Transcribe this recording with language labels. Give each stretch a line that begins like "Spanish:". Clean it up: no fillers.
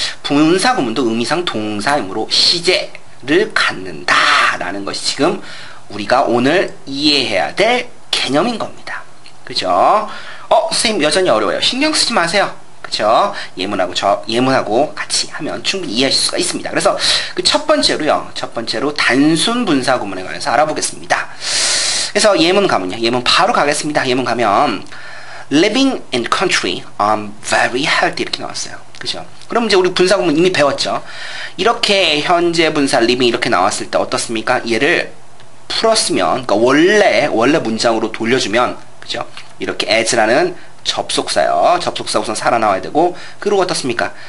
Korean: 분사 구문도 의미상 동사이므로 시제. 를 갖는다 라는 것이 지금 우리가 오늘 이해해야 될 개념인 겁니다. 그죠? 선생님 여전히 어려워요. 신경 쓰지 마세요. 그죠? 예문하고 같이 하면 충분히 이해하실 수가 있습니다. 그래서 그 첫 번째로 단순 분사구문에 관해서 알아보겠습니다. 그래서 예문 가면요. 예문 바로 가겠습니다. 예문 가면
English: Living in country, I'm very healthy
Korean: 이렇게 나왔어요. 그죠? 그럼 이제 우리 분사구문 이미 배웠죠? 이렇게 현재 분사 living 이렇게 나왔을 때 어떻습니까? 얘를 풀었으면, 그러니까 원래 문장으로 돌려주면, 그죠? 이렇게 as라는 접속사요. 접속사 우선 살아나와야 되고, 그리고 어떻습니까?